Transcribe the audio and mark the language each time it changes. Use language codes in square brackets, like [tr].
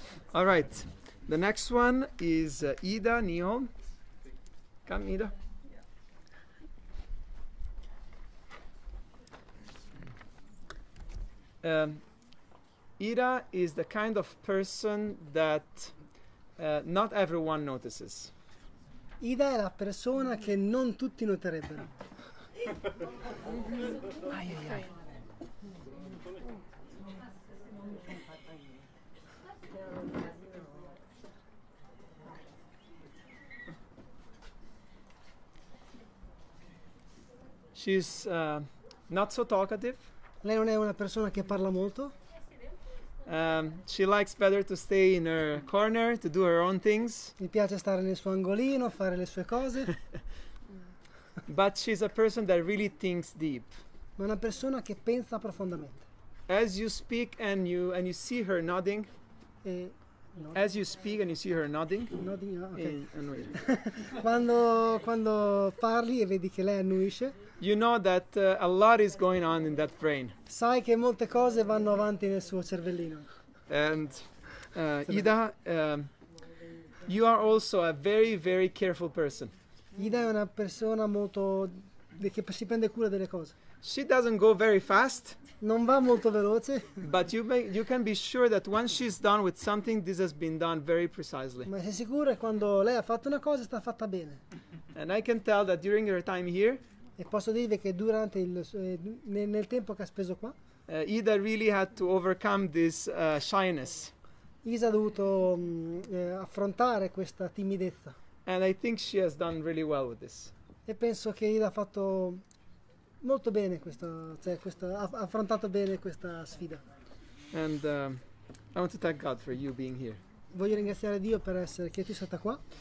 [en] All right, the next one is Ida Nihon. Come, Ida. Ida is the kind of person that not everyone notices. [it] Ida è la persona che non tutti noterebbero. Ai, ai, ai. [en] She's not so talkative. [it] Lei non è una persona che parla molto. [en] She likes better to stay in her corner to do her own things. [it] Mi piace stare nel suo angolino, fare le sue cose. [en] But she's a person that really thinks deep. [it] Ma una persona che pensa profondamente. [en] As you speak and you see her nodding. As you speak and you see her nodding. [it] Okay. quando parli e vedi che lei annuisce. [en] You know that a lot is going on in that brain. [it] Sai che molte cose vanno avanti nel suo cervellino. [en] And Ida, you are also a very, very careful person. [it] Ida è una persona molto che si prende cura delle cose. [en] She doesn't go very fast. [it] Non va molto veloce. [en] But you can be sure that once she's done with something, this has been done very precisely. [it] Ma sei sicuro che quando lei ha fatto una cosa, sta fatta bene. [en] And I can tell that during her time here. [it] E posso dire che durante il nel tempo che ha speso qua, [en] Ida really had to overcome this shyness. [it] Ida ha dovuto affrontare questa timidezza. [en] And I think she has done really well with this. [it] E penso che Ida ha fatto molto bene questa, cioè questa, ha affrontato bene questa sfida. [en] And I want to thank God for you being here. [it] Voglio ringraziare Dio per essere che tu sei stata qua.